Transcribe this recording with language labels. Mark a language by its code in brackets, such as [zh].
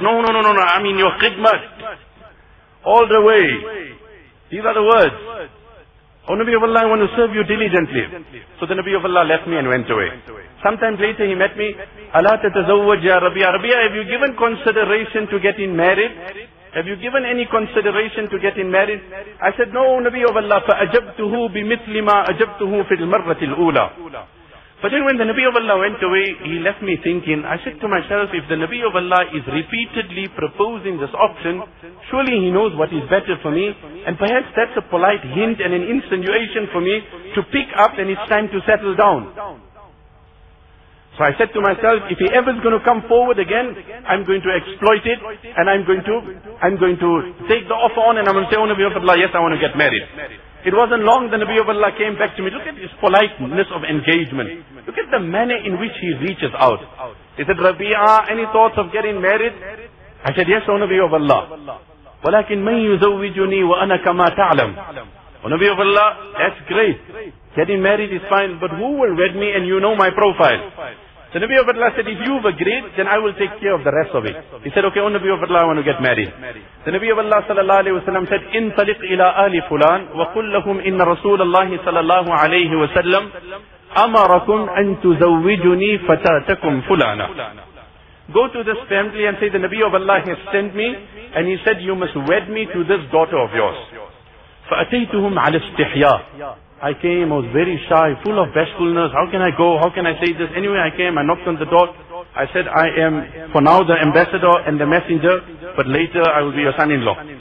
[en] No, I mean your khidmat. All the way. These are the words. O Nabi of Allah, I want to serve you diligently. So the Nabi of Allah left me and went away. Sometimes later he met me. [ar] Allah tatazawwaj ya Rabia. [en] Rabia, have you given consideration to getting married? Have you given any consideration to getting married? I said, no, Nabi of Allah, [ar] فَأَجَبْتُهُ بِمِثْلِ مَا أَجَبْتُهُ فِي الْمَرَّةِ الْأُولَى. [en] But then when the Nabi of Allah went away, he left me thinking. I said to myself, if the Nabi of Allah is repeatedly proposing this option, surely he knows what is better for me, and perhaps that's a polite hint and an insinuation for me to pick up and it's time to settle down. So I said to myself, if he ever is going to come forward again, I'm going to exploit it, and I'm going to take the offer on, and I'm going to say, oh Nabi of Allah, yes, I want to get married. It wasn't long, the Nabi of Allah came back to me. Look at his politeness of engagement. Look at the manner in which he reaches out. He said, Rabi'a, any thoughts of getting married? I said, yes, O Nabi of Allah. [ar] وَلَكِنْ مَنْ يُزَوِّجُنِي وَأَنَا كَمَا تَعْلَمْ. [en] O Nabi of Allah, that's great. Getting married is fine, but who will wed me and you know my profile? The Nabi of Allah said, if you've agreed, then I will take care of the rest of it. He said, okay, O Nabi of Allah, I want to get married. The Nabi of Allah sallallahu alayhi wa sallam said, [ar] إِنْ طَلِقْ إِلَىٰ أَهْلِ فُلَانِ وَقُلْ لَهُمْ إِنَّ رَسُولَ اللَّهِ sallallahu alayhi wa sallam أَمَرَكُمْ أَن تُزَوِّجُنِي فَتَاتَكُمْ فُلَانَ. [en] Go to this family and say, the Nabi of Allah has sent me, and he said, you must wed me to this daughter of yours. [ar] فَأَتَيْتُهُمْ عَلَى اسْتِحْيَاءِ. [en] I came, I was very shy, full of bashfulness. How can I go? How can I say this? Anyway, I came, I knocked on the door. I said, I am for now the ambassador and the messenger, but later I will be your son-in-law.